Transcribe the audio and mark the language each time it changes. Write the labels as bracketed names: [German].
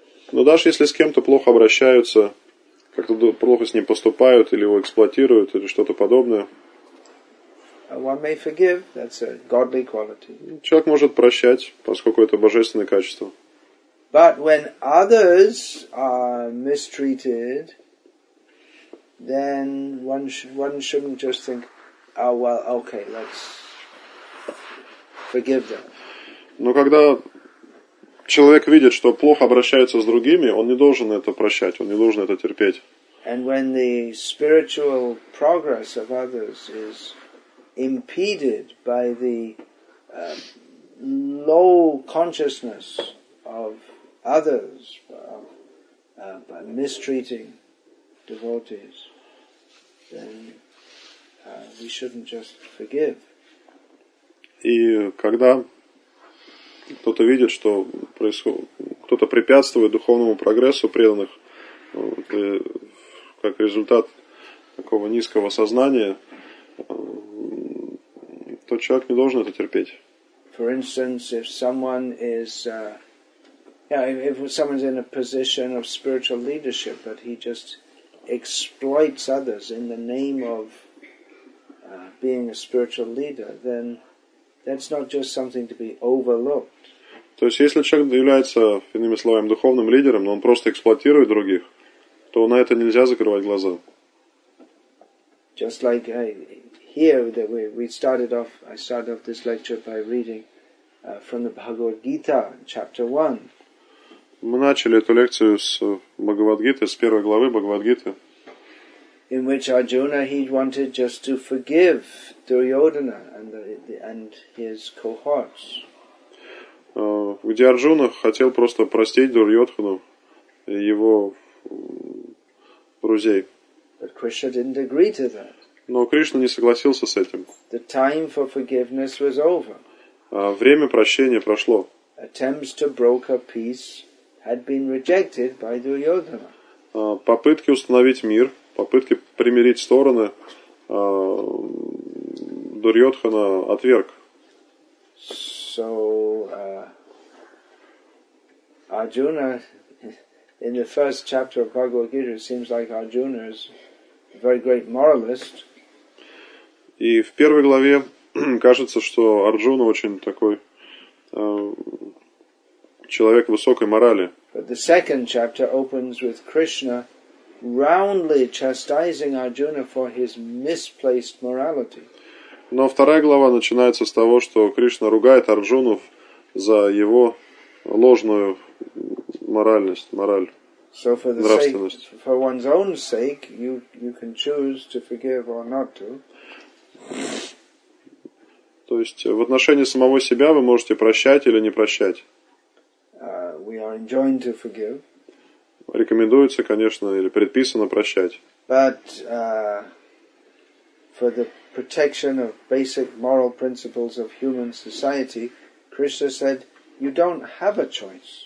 [Russian] Но даже если с кем-то плохо обращаются, как-то плохо с ним поступают, или его эксплуатируют, или что-то подобное. [English] One may forgive. That's a godly quality. [Russian] Человек может прощать, поскольку это божественное качество. [English] But when others are mistreated, then one shouldn't just think, "Oh well, okay, let's forgive them." [Russian] Но когда человек видит, что плохо обращаются с другими, он не должен это прощать, он не должен это терпеть. [English] And when the spiritual progress of others is impeded by the low consciousness of others, by mistreating devotees, then we shouldn't just forgive. [Russian] И когда кто-то видит, что происходит, кто-то препятствует духовному прогрессу преданных, как результат такого низкого сознания, то человек не должен это терпеть. [English] For instance, if someone is if someone's in a position of spiritual leadership, but he just exploits others in the name of being a spiritual leader, then that's not just something to be overlooked. [Russian] То есть, если человек является, иными словами, духовным лидером, но он просто эксплуатирует других, то на это нельзя закрывать глаза. [English] Just like here, that I started off this lecture by reading from the Bhagavad Gita, chapter 1. [Russian] Мы начали эту лекцию с Бхагавад-гиты, с первой главы Бхагавад-гиты. [English] In which Arjuna, he wanted just to forgive Duryodhana and his cohorts. [Russian] Где Арджуна хотел просто простить Дурьодхану его друзей. [English] But Krishna didn't agree to that. [Russian] Но Кришна не согласился с этим. [English] The time for forgiveness was over. [Russian] Время прощения прошло. [English] Attempts to broker peace had been rejected by Duryodhana. [Russian] Попытки установить мир, попытки примирить стороны, Дурьотхана отверг. [English] So, Arjuna, in the first chapter of Bhagavad Gita, it seems like Arjuna is a very great moralist. [Russian] И в первой главе кажется, что Арджуна очень такой человек высокой морали. [English] But the second chapter opens with Krishna roundly chastising Arjuna for his misplaced morality. [Russian] Но вторая глава начинается с того, что Кришна ругает Арджуну за его ложную моральность, мораль, [English] so for the [Russian] нравственность. [English] Sake, for one's own sake, you can choose to forgive or not to. [Russian] То есть в отношении самого себя вы можете прощать или не прощать. [English] We are enjoined to forgive. [Russian] Рекомендуется, конечно, или предписано прощать. [English] But for the protection of basic moral principles of human society, Krishna said, "You don't have a choice.